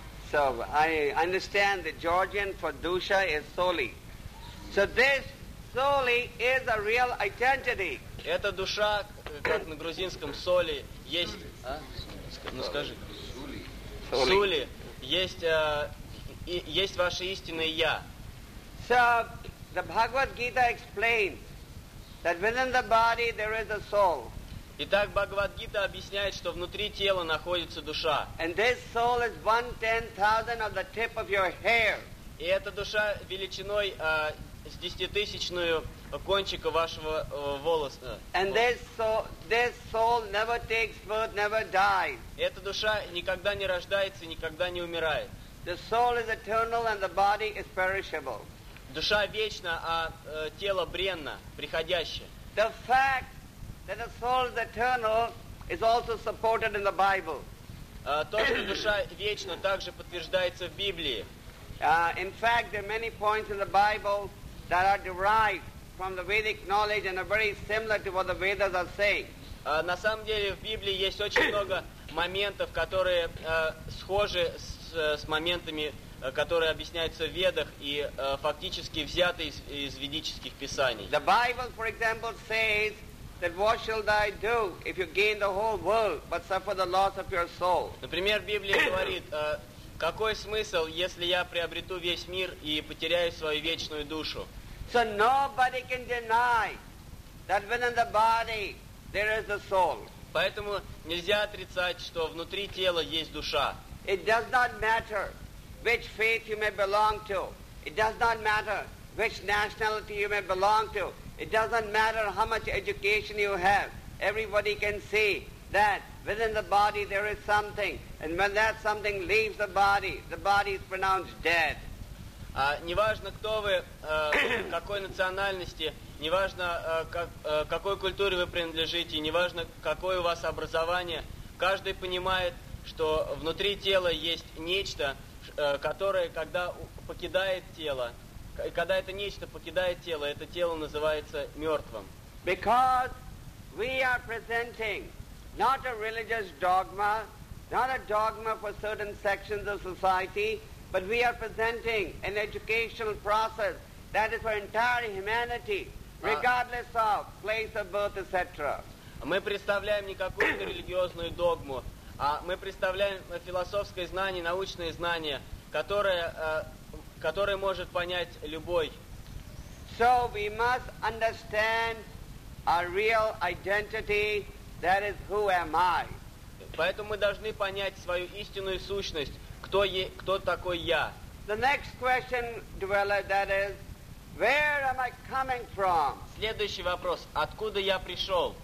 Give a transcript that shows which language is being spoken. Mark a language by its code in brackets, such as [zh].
[en] So I understand the Georgian for dusha is soli. So this soli is a real identity. [ru] Эта душа, как на грузинском соли, есть. Ну скажи. [ka] Сули. Сули. [ru] Есть, есть ваше истинное я. [en] So the Bhagavad Gita explains that within the body there is a soul. [ru] Итак, Бхагавад-гита объясняет, что внутри тела находится душа. [en] And this soul is 1/10,000 of the tip of your hair. [ru] И эта душа величиной с десятитысячную кончика вашего волоса. [en] And this soul never takes birth, never dies. [ru] Эта душа никогда не рождается, никогда не умирает. [en] The soul is eternal and the body is perishable. [ru] Душа вечна, а тело бренно, приходящее. [en] The fact that the soul is eternal is also supported in the Bible. [ru] То, что душа вечна, также подтверждается в Библии. [en] In fact, there are many points in the Bible that are derived from the Vedic knowledge and are very similar to what the Vedas are saying. [ru] На самом деле в Библии есть очень много моментов, которые схожи с моментами, которые объясняются в Ведах и фактически взяты из ведических писаний. [en] The Bible, for example, says that what shall I do if you gain the whole world but suffer the loss of your soul? [ru] Например, Библия говорит, какой смысл, если я приобрету весь мир и потеряю свою вечную душу? [en] So nobody can deny that within the body there is a soul. [ru] Поэтому нельзя отрицать, что внутри тела есть душа. [en] It does not matter which faith you may belong to. It does not matter which nationality you may belong to. It doesn't matter how much education you have. Everybody can see that within the body there is something. And when that something leaves the body is pronounced dead. [ru] Неважно, кто вы, какой национальности, неважно, какой культуре вы принадлежите, неважно, какое у вас образование, каждый понимает, что внутри тела есть нечто, которое, когда покидает тело, когда это нечто покидает тело, это тело называется мертвым. [en] Because we are presenting not a religious dogma, not a dogma for certain sections of society, but we are presenting an educational process that is for entire humanity, regardless of place of birth, etc. [ru] Мы представляем не какую-то религиозную догму, а мы представляем философское знание, научное знание, которое может понять любой. [en] So we must understand our real identity, that is, who am I? [ru] Поэтому мы должны понять свою истинную сущность, кто такой я. [en] The next question, dweller, that is, where am I coming from? [ru] Следующий вопрос, откуда я пришел?